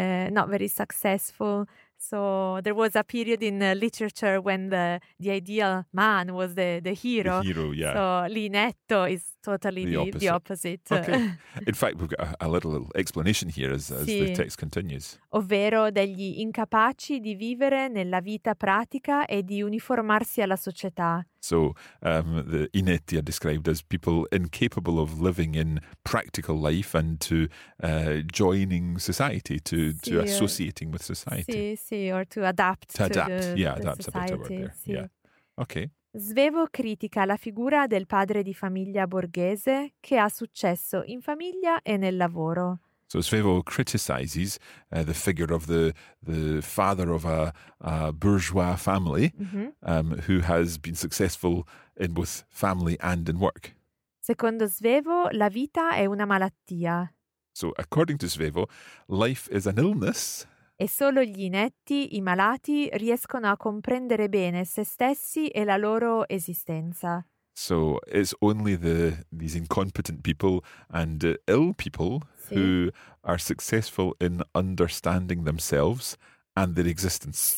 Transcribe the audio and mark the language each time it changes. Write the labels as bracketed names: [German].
[English] Not very successful. So there was a period in literature when the ideal man was the hero. The hero, yeah. So l'inetto is totally the opposite. Okay. In fact, we've got a little explanation here as the text continues. [Italian] Ovvero degli incapaci di vivere nella vita pratica e di uniformarsi alla società. [English] So the inetti are described as people incapable of living in practical life and to joining society, to associating with society. Or to adapt. To adapt, that's a better word there. [Italian] Sì. [English] Yeah. Okay. [Italian] Svevo critica la figura del padre di famiglia borghese che ha successo in famiglia e nel lavoro. [English] So Svevo criticizes the figure of the father of a bourgeois family who has been successful in both family and in work. [Italian] Secondo Svevo, la vita è una malattia. [English] So according to Svevo, life is an illness. [Italian] E solo gli inetti, i malati, riescono a comprendere bene se stessi e la loro esistenza. [English] So it's only these incompetent people and ill people who are successful in understanding themselves and their existence.